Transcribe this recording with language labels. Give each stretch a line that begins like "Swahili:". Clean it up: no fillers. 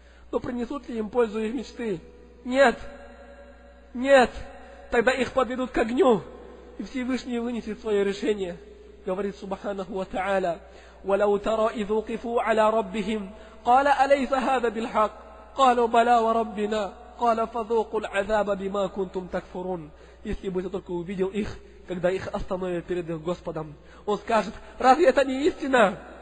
Russian: Но принесут ли им пользу их мечты? Нет. Тогда их подведут к огню, и Всевышний вынесет свое решение. Говорит
Arabic: Субханаху ва Та'аля: وَلَوْ تَرَى إِذْ وُقِفُوا عَلَى رَبِّهِمْ قَالَ أَلَيْسَ هَذَا بِالْحَقِّ قَالُوا بَلَى وَرَبِّنَا قَالَ فَذُوقُوا الْعَذَابَ بِمَا كُنْتُمْ تَكْفُرُونَ.
Russian: Если бы ты только увидел их, когда их остановят перед их Господом, он скажет, разве это не истина?